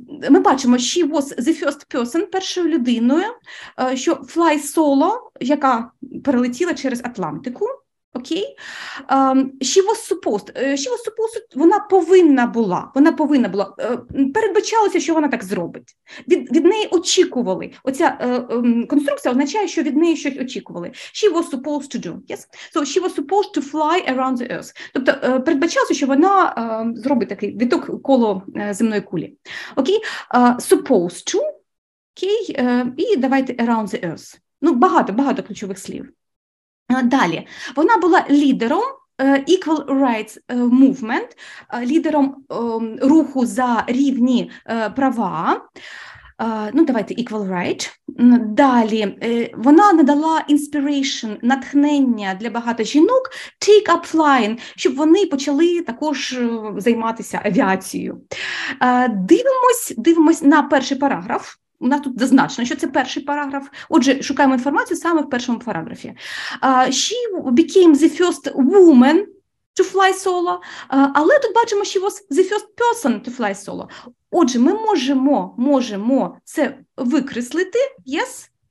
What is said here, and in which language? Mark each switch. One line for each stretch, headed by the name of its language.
Ukrainian: Ми бачимо,
English: she was the first person,
Ukrainian: першою людиною, що
English: fly solo,
Ukrainian: яка перелетіла через Атлантику. Окей?
English: She was supposed,
Ukrainian: вона повинна була, передбачалося, що вона так зробить. Від неї очікували. Оця конструкція означає, що від неї щось очікували.
English: She was supposed to do, yes? So she was supposed to fly around the earth.
Ukrainian: Тобто передбачалося, що вона зробить такий виток коло земної кулі.
English: Окей? Supposed to, окей?
Ukrainian: І давайте
English: around the earth.
Ukrainian: Ну, багато ключових слів. Далі. Вона була лідером Equal Rights Movement, лідером руху за рівні права. Ну, давайте Equal Rights. Далі. Вона надала inspiration, натхнення для багато жінок
English: take up flying,
Ukrainian: щоб вони почали також займатися авіацією. Дивимось на перший параграф. У нас тут зазначено, що це перший параграф. Отже, шукаємо інформацію саме в першому параграфі.
English: She became the first woman to fly solo.
Ukrainian: Але тут бачимо, що
English: she was the first person to fly solo.
Ukrainian: Отже, ми можемо це викреслити, yes?